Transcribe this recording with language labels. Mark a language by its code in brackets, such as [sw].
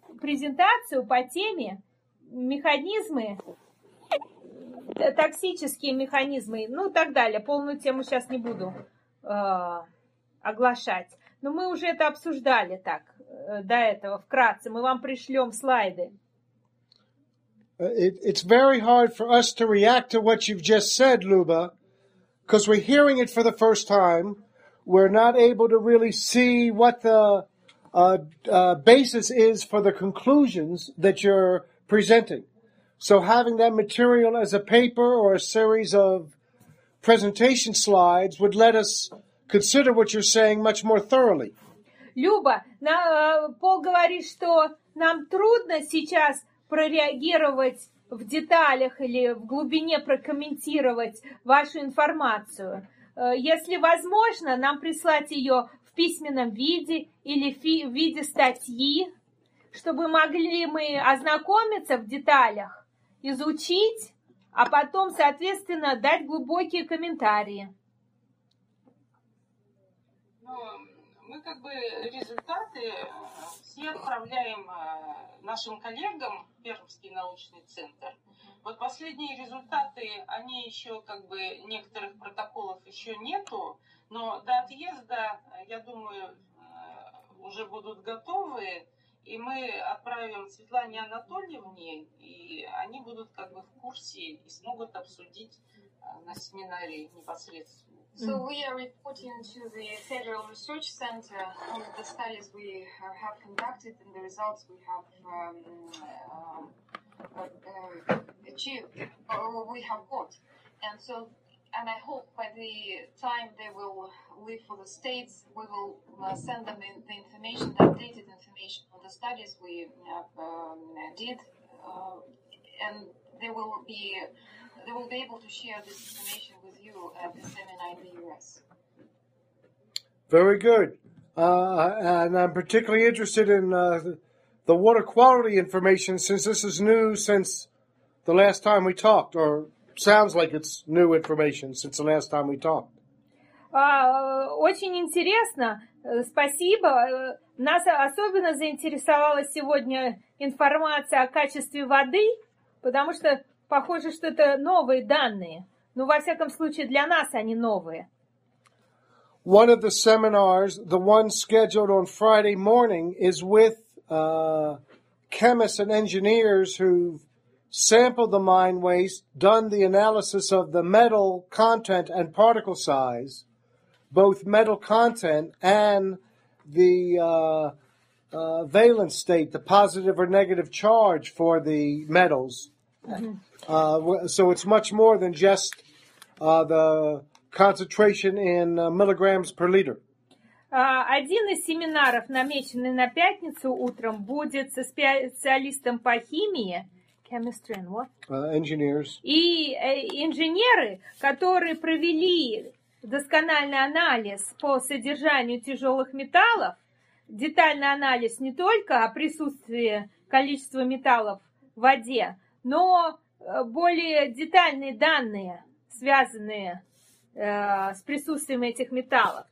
[ru] презентацию по теме механизмы, токсические механизмы, ну и так далее. Полную тему сейчас не буду оглашать. Но мы уже это обсуждали так, до этого, вкратце. Мы вам пришлем слайды. [en] It's very hard for us to react to what you've just said, Luba, because we're hearing it for the first time. We're not able to really see what the basis is for the conclusions that you're presenting. So having that material as a paper or a series of presentation slides would let us consider what you're saying much more thoroughly. [ru] Люба, Пол говорит, что нам трудно сейчас прореагировать в деталях или в глубине прокомментировать вашу информацию. Если возможно, нам прислать ее в письменном виде или в виде статьи, чтобы могли мы ознакомиться в деталях, изучить, а потом, соответственно, дать глубокие комментарии. Ну, мы как бы результаты все отправляем нашим коллегам в Пермский научный центр. Вот последние результаты, они еще как бы некоторых протоколов еще нету, но до отъезда, я думаю, уже будут готовы. И мы отправим Светлане Анатольевне, и они будут как бы в курсе и смогут обсудить на семинаре непосредственно. [en] So we are reporting to the Federal Research Center on the studies we have conducted and the results we have achieved or we have got. And so, and I hope by the time they will leave for the States, we will send them in the information, the updated information on the studies we have, did, and they will be able to share this information with you at the seminar in the U.S. Very good. And I'm particularly interested in the water quality information, since this is new since the last time we talked, or... Sounds like it's new information since the last time we talked. [ru] Очень интересно. Спасибо. Нас особенно заинтересовала сегодня информация о качестве воды, потому что похоже, что это новые данные. Ну, во всяком случае, для нас они новые. [en] One of the seminars, the one scheduled on Friday morning, is with chemists and engineers who've sampled the mine waste, done the analysis of the metal content and particle size, both metal content and the valence state, the positive or negative charge for the metals. So it's much more than just the concentration in milligrams per liter. [ru] Один из семинаров, намеченный на пятницу утром, будет со специалистом по химии. [en] Chemistry and what? Engineers. [ru] И инженеры, которые провели доскональный анализ по содержанию тяжелых металлов, детальный анализ не только о присутствии количества металлов в воде, но более детальные данные, связанные с присутствием этих металлов.